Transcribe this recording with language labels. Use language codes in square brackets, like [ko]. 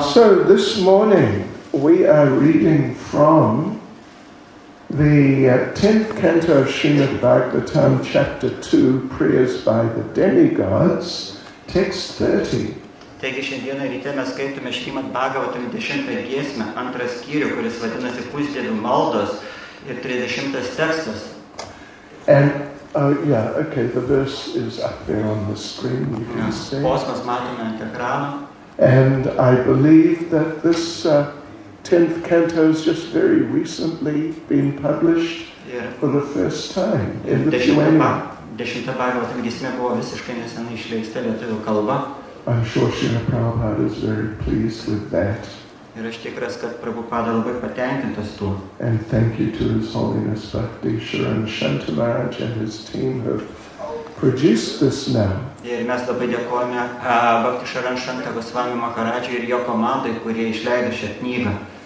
[en] So this morning we are reading from the 10th canto of Srimad Bhagavatam, chapter 2, Prayers by the Demigods, text 30. [lt] Taigi šiandieną ryte mes skaitome Šrimad Bhagavatam 10 giesmę, antrą skyrių, kuris vadinasi Pusdievių maldos ir 30 tekstas. [en] And, the verse is up there on the screen, you can see. [lt] Posmas matome ant ekrano. [en] And I believe that this 10th canto has just very recently been published for the first time in the Joanna. [lt] 10th Bhagavatam giesmė buvo visiškai nesenai išleista lietuvių kalba. [en] I'm sure Srila Prabhupada is very pleased with that. [lt] Ir aš tikras, kad Prabhupada labai patenkintas tuo. [en] And thank you to His Holiness Bhakti Sharan Shantamaraj and his team who have produced this now. [lt] Ir mes labai dėkojame Bhakti Sharan Shanta Goswami Maharajui ir jo komandai, kurie išleido šią knygą.